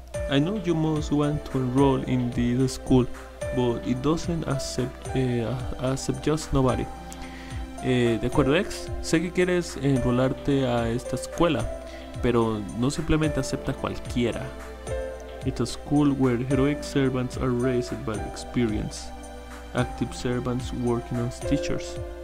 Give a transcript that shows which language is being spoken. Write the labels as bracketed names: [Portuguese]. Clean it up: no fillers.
[English] I know you must want to enroll in the school, but it doesn't accept just nobody. [Spanish] De acuerdo, X. Sé que quieres enrolarte a esta escuela, pero no simplemente acepta cualquiera. [English] It's a school where heroic servants are raised by experience, active servants working as teachers.